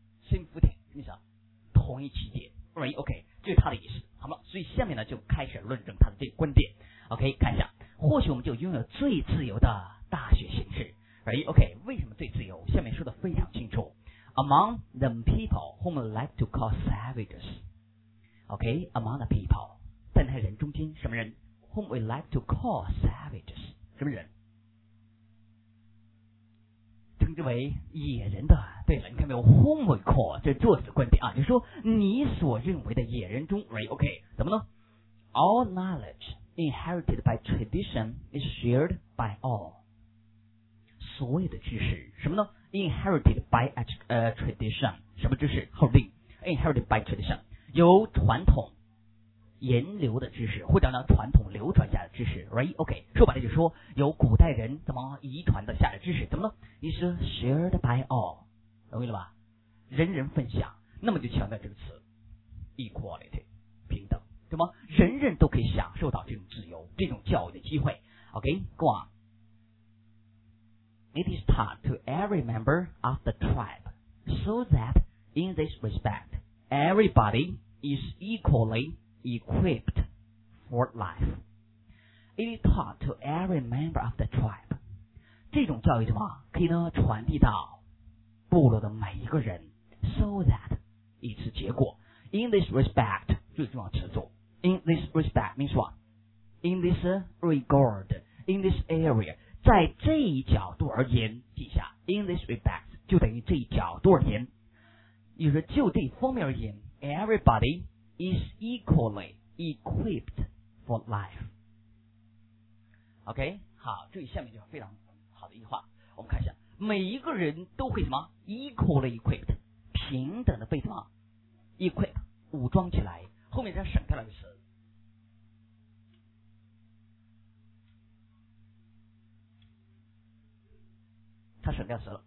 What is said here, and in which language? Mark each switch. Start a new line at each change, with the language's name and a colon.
English: same footing，
Chinese: 你想同一起点
English: right， OK，
Chinese: 就是他的意思。好了，所以下面呢就开始论证他的这个观点。OK， 看一下，或许我们就拥有最自由的大学形式。
English: Right? OK，
Chinese: 为什么最自由？下面说的非常清楚。
English: Among the people whom we like to call savages. OK， among the people，
Chinese: 在那人中间，什么人？
English: Whom we like to call savages，
Chinese: 什么人？称之为野人的。对了，你看没有？
English: Whom we call，
Chinese: 这作者观点啊，就是说你所认为的野人中。
English: Right? OK，
Chinese: 怎么呢？
English: All knowledge. Inherited by tradition is shared by all.
Chinese: 所有的知识什么呢？
English: Inherited by tradition，
Chinese: 什么知识？后令。
English: Inherited by tradition，
Chinese: 由传统沿流的知识，或者呢传统流传下的知识。
English: Right?
Chinese: OK， 说白了就是说由古代人怎么遗传的下的知识，怎么呢？
English: Is shared by all，
Chinese: 容易了吧？人人分享。那么就强调这个词 equality，什么？人人都可以享受到这种自由、这种教育的机会。
English: OK， go on. It is taught to every member of the tribe, so that in this respect, everybody is equally equipped for life. It is taught to every member of the tribe.
Chinese: 这种教育什么？可以呢传递到部落的每一个人。
English: So that，
Chinese: 以此结果。
English: In this respect，
Chinese: 最重要词组。
English: In this respect means what? In this regard, in this area，
Chinese: 在这一角度而言，记下
English: in this respect
Chinese: 就等于这一角度而言，也是就这方面而言，
English: everybody is equally equipped for life。
Chinese: OK， 好，这里下面就非常好的一句话，我们看一下，每一个人都会什么
English: equally equipped，
Chinese: 平等的被什么 equipped 武装起来。后面再省掉了一个词，他省掉词了。